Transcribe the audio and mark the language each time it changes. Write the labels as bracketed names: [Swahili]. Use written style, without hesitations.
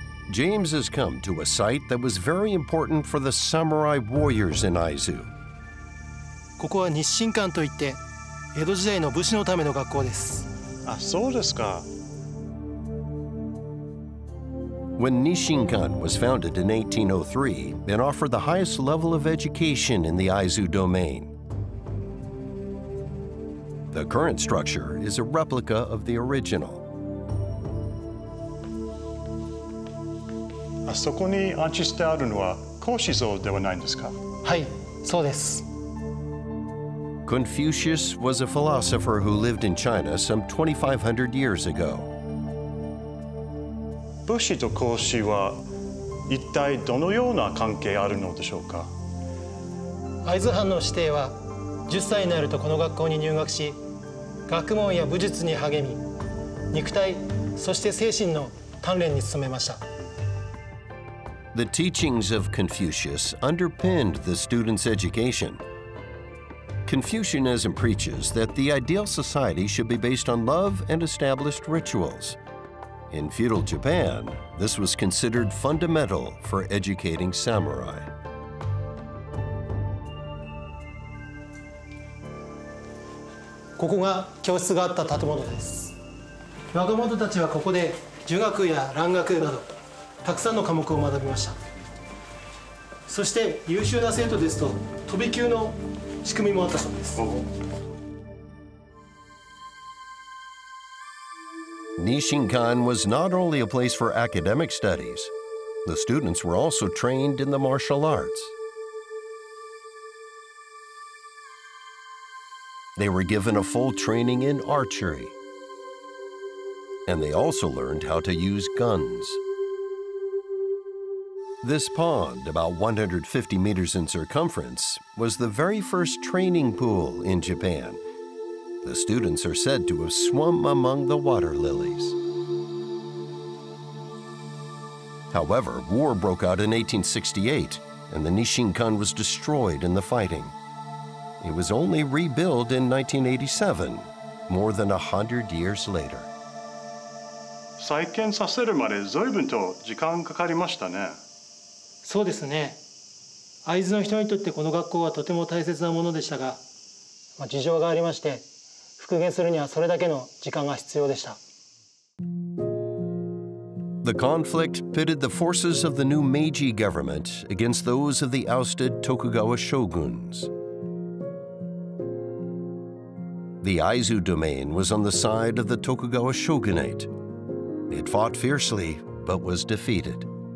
[English] James has come to a site that was very important for the samurai warriors in Aizu. [Japanese] ここは日神館といって、江戸時代の武士のための学校です。あ、そうですか。 [English] When Nishinkan was founded in 1803, it offered the highest level of education in the Aizu domain. The current structure is a replica of the original. [Japanese] あそこに安置してあるのは孔子像ではないんですか？はい、そうです。 [English] Confucius was a philosopher who lived in China some 2,500 years ago. [Japanese] 武士と孔子は一体どのような関係あるのでしょうか？会津藩の子弟は10歳になるとこの学校に入学し、学問や武術に励み、肉体、そして精神の鍛錬に努めました。 [English] The teachings of Confucius underpinned the students' education. Confucianism preaches that the ideal society should be based on love and established rituals. In feudal Japan, this was considered fundamental for educating samurai. [Japanese] ここが教室があった建物です。若者たちはここで儒学や蘭学など、たくさんの科目を学びました。そして優秀な生徒ですと飛び級の仕組みもあったそうです。 [English] Nishinkan was not only a place for academic studies, the students were also trained in the martial arts. They were given a full training in archery, and they also learned how to use gunsThis pond, about 150 meters in circumference, was the very first training pool in Japan. The students are said to have swum among the water lilies. However, war broke out in 1868, and the Nishinkan was destroyed in the fighting. It was only rebuilt in 1987, more than 100 years later. [Japanese] 再建させるまで随分と時間かかりましたね。そうですね。会津の人にとってこの学校はとても大切なものでしたが、まあ、事情がありまして復元するにはそれだけの時間が必要でした。 [English] The conflict pitted the forces of the new Meiji government against those of the ousted Tokugawa shoguns. The Aizu domain was on the side of the Tokugawa shogunate. It fought fiercely but was defeated.